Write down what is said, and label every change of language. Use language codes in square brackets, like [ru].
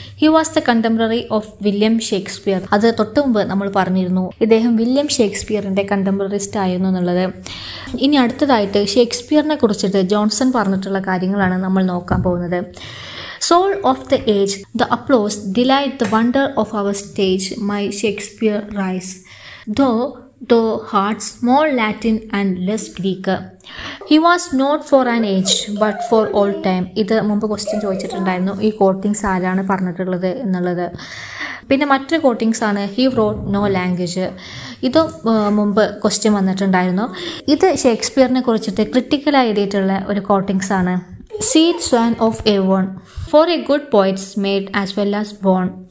[en] He was the contemporary of William Shakespeare. [ml] അത് തൊട്ട് മുമ്പ് നമ്മൾ പറഞ്ഞിരുന്നു, ഇദ്ദേഹം വില്യം ഷേക്സ്പിയറിൻ്റെ കണ്ടംപററിസ്റ്റ് ആയിരുന്നു എന്നുള്ളത്. ഇനി അടുത്തതായിട്ട് ഷേക്സ്പിയറിനെ കുറിച്ചിട്ട് ജോൺസൺ പറഞ്ഞിട്ടുള്ള കാര്യങ്ങളാണ് നമ്മൾ നോക്കാൻ പോകുന്നത്. [en] Soul of the age, the applause delight the wonder of our stage, my Shakespeare rise. Though Though heart small Latin and less Greek, he was not for an age but for all time. [ml] ഇത് മുമ്പ് question ചോദിച്ചിട്ടുണ്ടായിരുന്നു, ഈ coatings ആരാണ് പറഞ്ഞിട്ടുള്ളത് എന്നുള്ളത്. പിന്നെ മറ്റൊരു coatings ആണ് [en] He wrote no language. [ml] ഇതും മുമ്പ് ക്വസ്റ്റ്യൻ വന്നിട്ടുണ്ടായിരുന്നു. ഇത് ഷേക്സ്പിയറിനെ കുറിച്ചിട്ട് ക്രിട്ടിക്കലായി എഴുതിയിട്ടുള്ള ഒരു കോട്ടിങ്സ് ആണ്. [en] Sweet swan of Avon, for a good poet's made as well as born.